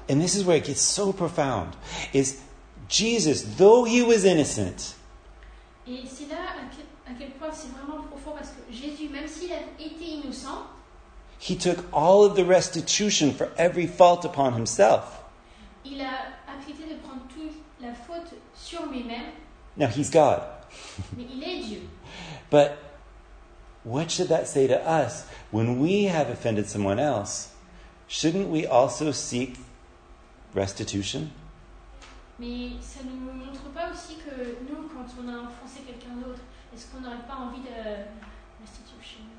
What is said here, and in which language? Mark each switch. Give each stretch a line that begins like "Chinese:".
English: And this is where it gets so profound, is Jesus, though he was innocent.
French: Et c'est là à quel point c'est vraiment profond, parce que Jésus, même s'il a été innocent,
English: he took all of the restitution for every fault upon himself.
French: Il a accepté de prendre toute la faute sur lui-même.
English: Now he's God.
French: Mais il est Dieu.
English: But what should that say to us when we have offended someone else? Shouldn't we also seek restitution?
French: Mais ça ne nous montre pas aussi que nous, quand on a offensé quelqu'un d'autre, est-ce qu'on n'aurait pas envie de restitution?